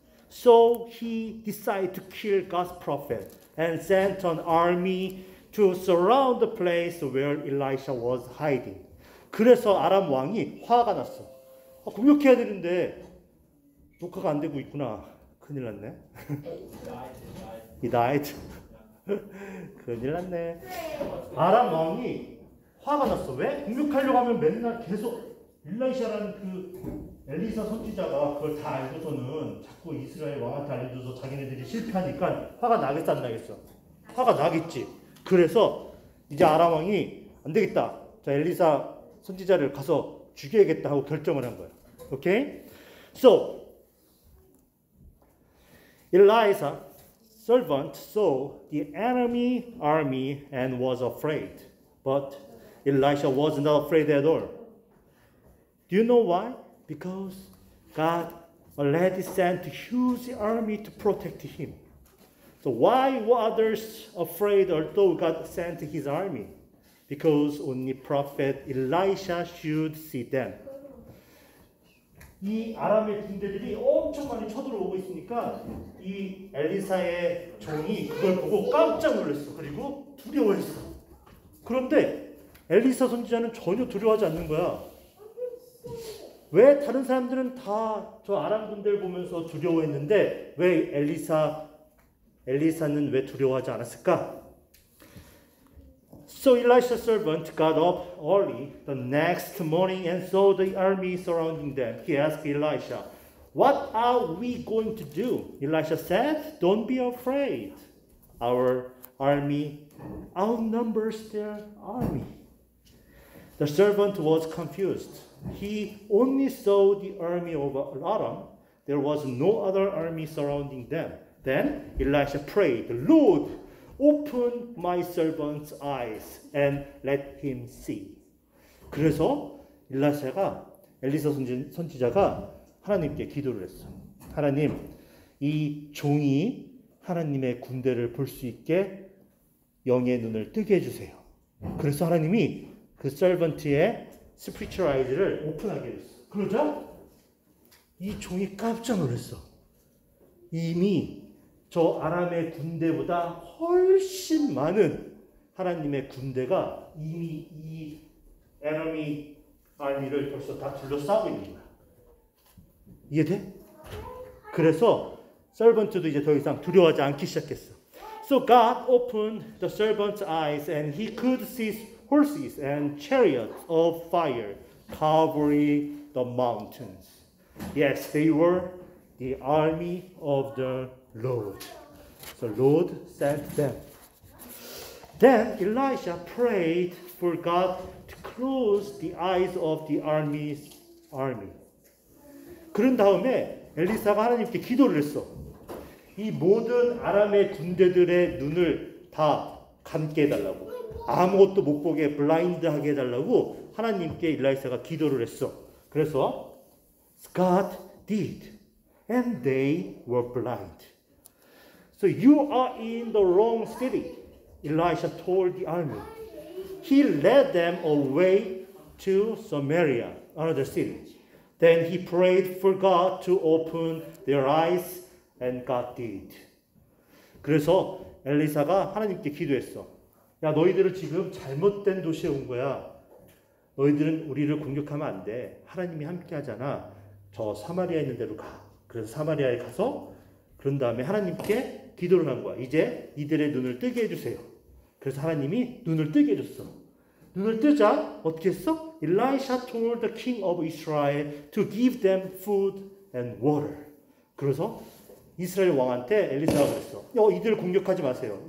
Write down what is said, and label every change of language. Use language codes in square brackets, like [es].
[en] So he decided to kill God's prophet and sent an army to surround the place where Elisha was hiding. [ko] 그래서 아람 왕이 화가 났어. 아, 공격해야 되는데 녹화가 안 되고 있구나. 큰일 났네. [en] He died. [ko] 큰일 났네. 아람 왕이 화가 났어. 왜? 공격하려고 하면 맨날 계속 일라이샤라는 그 엘리사 선지자가 그걸 다 알고서는 자꾸 이스라엘 왕한테 알려줘서 자기네들이 실패하니까 화가 나겠어, 안 나겠어? 화가 나겠지. 그래서 이제 아람 왕이 안 되겠다. 자, 엘리사 선지자를 가서 죽여야겠다 하고 결정을 한 거야. 오케이? [en] So, Elisha servant saw the enemy army and was afraid. But Elisha was not afraid at all. Do you know why? Because God already sent a huge army to protect him. So why were others afraid although God sent his army? Because only prophet Elisha should see them. [ko] 이 아람의 군대들이 엄청 많이 쳐들어오고 있으니까 이 엘리사의 종이 그걸 보고 깜짝 놀랐어. 그리고 두려워했어. 그런데 엘리사 선지자는 전혀 두려워하지 않는 거야. 왜 다른 사람들은 다 저 아람 군대를 보면서 두려워했는데 왜 엘리사는 왜 두려워하지 않았을까? [en] So Elisha's servant got up early the next morning and saw the army surrounding them. He asked Elisha, "What are we going to do?" Elisha said, "Don't be afraid. Our army outnumbers their army." The servant was confused. He only saw the army of Aram. There was no other army surrounding them. Then Elisha prayed, "Lord, open my servant's eyes and let him see." [ko] 그래서 엘리사가 엘리사 선지자가 하나님께 기도를 했어. 하나님, 이 종이 하나님의 군대를 볼 수 있게 영의 눈을 뜨게 해 주세요. 그래서 하나님이 그 [en] 서번트의 스피리추얼 아이즈를 오픈하게 [ko] 됐어. 그러자 이 종이 깜짝 놀랐어. 이미 저 아람의 군대보다 훨씬 많은 하나님의 군대가 이미 이 [en] 에너미 아미를 [ko] 벌써 다 둘러싸고 있는 거야. 이해돼? 그래서 서번트도 이제 더 이상 두려워하지 않기 시작했어. [en] So God opened the servant's eyes and he could see horses and chariots of fire covering the mountains. Yes, they were the army of the Lord. The Lord sent them. Then Elisha prayed for God to close the eyes of the army's army. [ko] 그런 다음에 엘리사가 하나님께 기도를 했어. 이 모든 아람의 군대들의 눈을 다 감게 해달라고, 아무것도 못 보게 블라인드하게 해달라고 하나님께 일라이사가 기도를 했어. 그래서 [en] God did and they were blind. So you are in the wrong city, Elisha told the army. He led them away to Samaria, another city. Then he prayed for God to open their eyes and God did. [ko] 그래서 엘리사가 하나님께 기도했어. 야, 너희들은 지금 잘못된 도시에 온 거야. 너희들은 우리를 공격하면 안 돼. 하나님이 함께 하잖아. 저 사마리아 있는 데로 가. 그래서 사마리아에 가서 그런 다음에 하나님께 기도를 한 거야. 이제 이들의 눈을 뜨게 해주세요. 그래서 하나님이 눈을 뜨게 해줬어. 눈을 뜨자 어떻게 했어? [en] Elisha told the king of Israel to give them food and water. [ko] 그래서 이스라엘 왕한테 엘리사가 그랬어. 야, 이들을 공격하지 마세요.